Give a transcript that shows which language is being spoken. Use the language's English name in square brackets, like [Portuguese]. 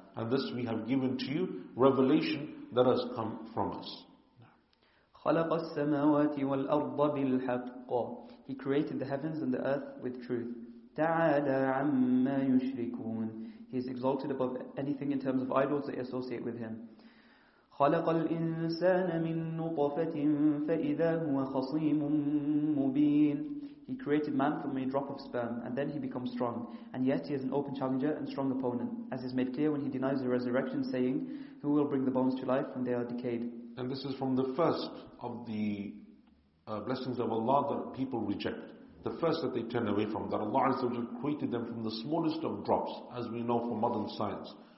[English] And thus we have given to you revelation that has come from us. [Arabic] خَلَقَ السَّمَاوَاتِ وَالْأَرْضَ بِالْحَقِّ. [English] He created the heavens and the earth with truth. [Arabic] تَعَالَى عَمَّا يُشْرِكُونَ. [English] He is exalted above anything in terms of idols that associate with him. [Arabic] خلق الإنسان من نطفة فإذا هو خصيم مبين. [English] He created man from a drop of sperm, and then he becomes strong, and yet he is an open challenger and strong opponent, as is made clear when he denies the resurrection, saying, "Who will bring the bones to life when they are decayed?" And this is from the first of the blessings of Allah that people reject, the first that they turn away from, that Allah Azza wa Jalla created them from the smallest of drops, as we know from modern science.